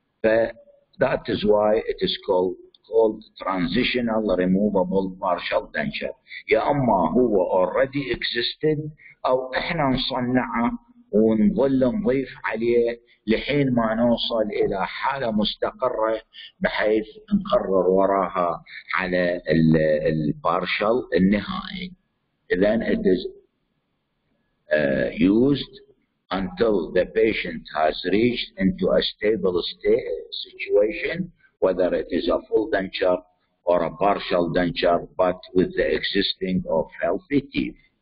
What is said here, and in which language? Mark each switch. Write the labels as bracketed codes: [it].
[en] That is why it is called transitional removable partial denture. [ar] يا أما هو already existed أو إحنا نصنعه ونظل نضيف عليه لحين ما نوصل إلى حالة مستقرة بحيث نقرر وراها على البارشل النهائي. [en] Then it is used until the patient has reached into a stable state situation, whether it is a full denture or a partial denture, but with the existing of healthy teeth.